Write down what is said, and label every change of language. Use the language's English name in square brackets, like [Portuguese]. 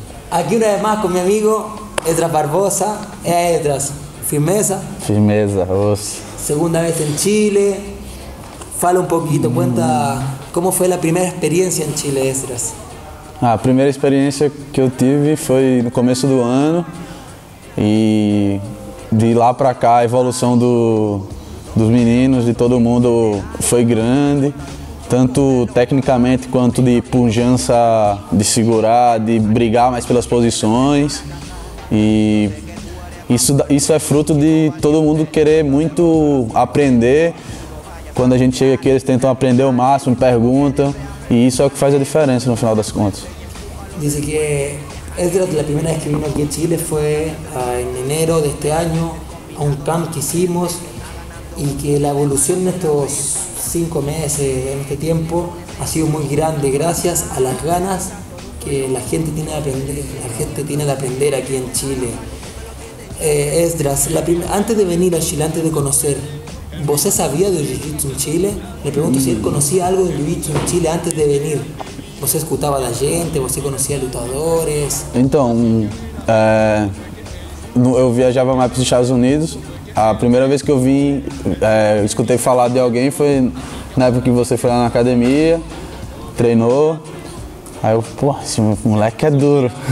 [Spanish] aquí una vez más con mi amigo Edras Barbosa. Edras, firmeza. Firmeza, vos. Segunda vez en Chile. Fala un poquito, cuenta cómo fue la primera experiencia en Chile, Edras. [Portuguese] A primeira experiência que eu tive foi no começo do ano e de lá para cá a evolução dos meninos, de todo mundo, foi grande, tanto tecnicamente quanto de pujança, de segurar, de brigar mais pelas posições. E isso é fruto de todo mundo querer muito aprender. Quando a gente chega aqui, eles tentam aprender o máximo, perguntam. [Spanish] Y eso es lo que hace la diferencia en el final de las cuentas. Dice que Edras, la primera vez que vino aquí a Chile fue en enero de este año, a un camp que hicimos, y que la evolución en estos 5 meses, en este tiempo, ha sido muy grande gracias a las ganas que la gente tiene de aprender, aquí en Chile. Edras, antes de venir a Chile, antes de conocer, ¿vos sabía del jiu-jitsu en Chile? Le pregunto si él conocía algo del jiu-jitsu en Chile antes de venir. ¿Vos escuchaba a la gente? ¿Vos conocía a luchadores? Entonces, yo viajaba más para los Estados Unidos. La primera vez que yo vi, escuché hablar de alguien fue en la época que usted fue a la academia, entrenó. [Portuguese] Aí eu, pô, esse moleque é duro.